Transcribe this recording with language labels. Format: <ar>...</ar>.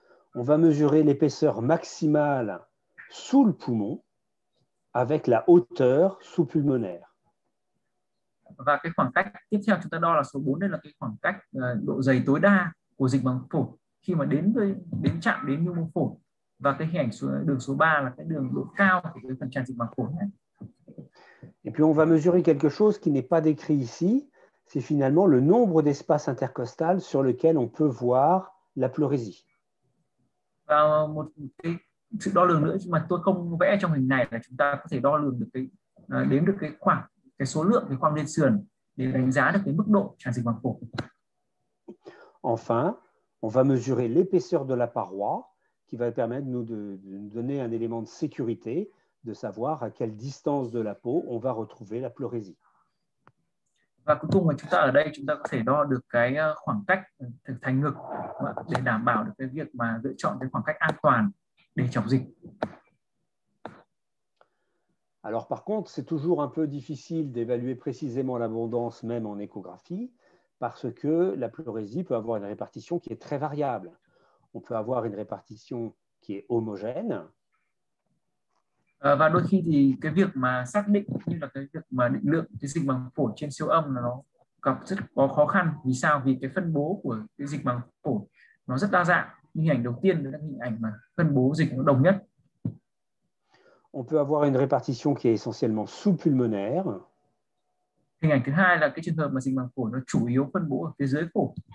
<fr>On va mesurer l'épaisseur maximale sous le poumon avec la hauteur sous-pulmonaire.</fr> <vi>Và cái khoảng cách tiếp theo chúng ta đo là số 4, đây là cái khoảng cách độ dày tối đa của dịch màng phổi khi mà đến chạm đến nhu mô phổi. Và cái hình ảnh đường số 3 là cái đường độ cao của cái phần tràn dịch màng phổi này.</vi> <fr>Et puis on va mesurer quelque chose qui n'est pas décrit ici, c'est finalement le nombre d'espaces intercostales sur lequel on peut voir la pleurésie.</fr> <vi>Và một cái sự đo lường nữa mà tôi không vẽ trong hình này là chúng ta có thể đo lường được cái đếm được cái khoảng cái số lượng cái khoang liên sườn để đánh giá được cái mức độ tràn dịch màng phổi.</vi> <fr>Enfin, on va mesurer l'épaisseur de la paroi qui va permettre nous de donner un élément de sécurité de savoir à quelle distance de la peau on va retrouver la pleurésie.</fr> <vi>Và cuối cùng là chúng ta ở đây chúng ta có thể đo được cái khoảng cách từ thành ngực để đảm bảo được cái việc mà lựa chọn cái khoảng cách an toàn để chống dịch.</vi> <fr>Alors par contre, c'est toujours un peu difficile d'évaluer précisément l'abondance même en échographie, parce que la pleurésie peut avoir une répartition qui est très variable. On peut avoir une répartition qui est homogène.</fr> <vi>Và đôi khi thì cái việc mà xác định như là cái việc mà định lượng cái dịch màng phổi trên siêu âm là nó gặp rất có khó khăn. Vì sao? Vì cái phân bố của cái dịch màng phổi nó rất đa dạng. Như hình ảnh đầu tiên là hình ảnh mà phân bố dịch nó đồng nhất.</vi> <fr>On peut avoir une répartition qui est essentiellement sous-pulmonaire.</fr> <vi>Hình ảnh thứ hai là cái trường hợp mà dịch màng phổi nó chủ yếu phân bố ở phía dưới phổi.</vi>